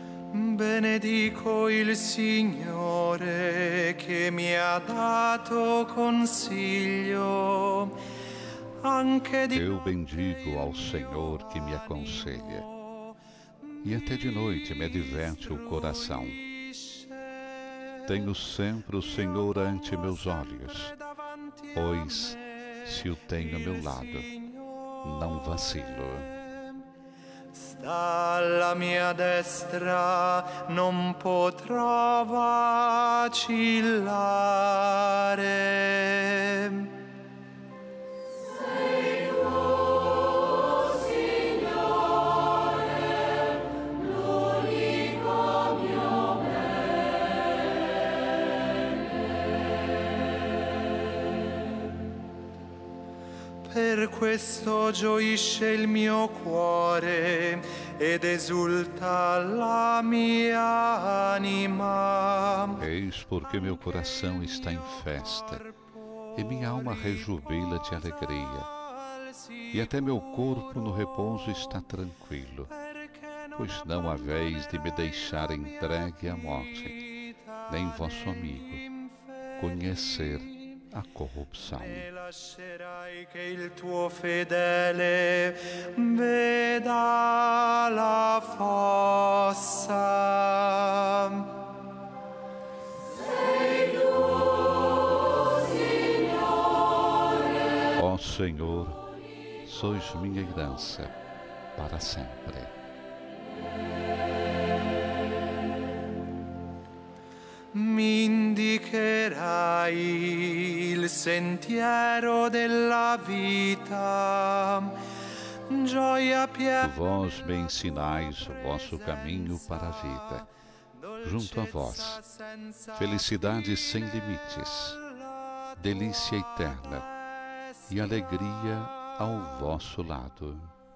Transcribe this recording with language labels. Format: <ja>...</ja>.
<it>Benedico il Signore che mi ha dato consiglio.</it> <pt>Eu bendigo ao Senhor que me aconselha, e até de noite me adverte o coração. Tenho sempre o Senhor ante meus olhos, pois, se o tenho ao meu lado, não vacilo.</pt> <it>Sta alla mia destra, non potrò vacillare. Per questo gioisce il mio cuore ed esulta la mia anima.</it> <pt>Eis porque meu coração está em festa e minha alma rejubila de alegria, e até meu corpo no repouso está tranquilo, pois não haveis de me deixar entregue à morte, nem vosso amigo conhecer a corrupção.</pt> <it>E lascerai che il tuo fedele veda la fossa. Sei tu, Signore.</it> <pt>Ó Senhor, sois minha herança para sempre.</pt> <it>Mi indicherai il sentiero della vita, gioia piena.</it> <pt>Vós me ensinais o vosso caminho para a</pt> <it>vita,</it> <pt>junto a vós, felicidade sem limites, delícia eterna e alegria ao vosso lado.</pt>